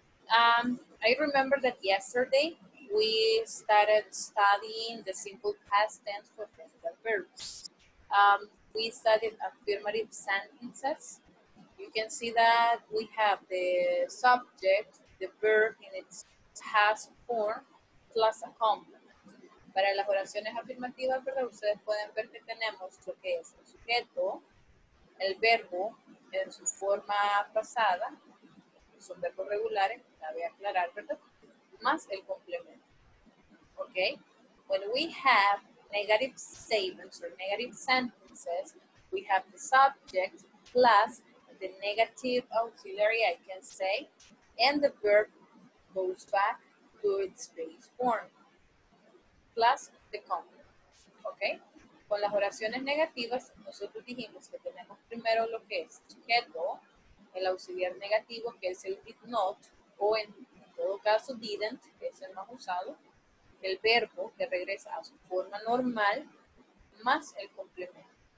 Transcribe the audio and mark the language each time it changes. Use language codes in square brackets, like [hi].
[en] I remember that yesterday we started studying the simple past tense for present verbs. We studied affirmative sentences. You can see that we have the subject, the verb in its past form, plus a complement. [es] Para las oraciones afirmativas, ¿verdad? Ustedes pueden ver que tenemos lo que es el sujeto, el verbo, en su forma pasada, son verbos regulares, cabe aclarar, ¿verdad? Más el complemento, ¿ok? [en] When we have negative statements or negative sentences, we have the subject plus the negative auxiliary, I can say, and the verb goes back to its base form, plus the complement, ¿ok? [es] Con las oraciones negativas, nosotros dijimos que tenemos primero lo que es sujeto, el auxiliar negativo, que es el did not, o en todo caso didn't, que es el más usado, el verbo que regresa a su forma normal, más el complemento.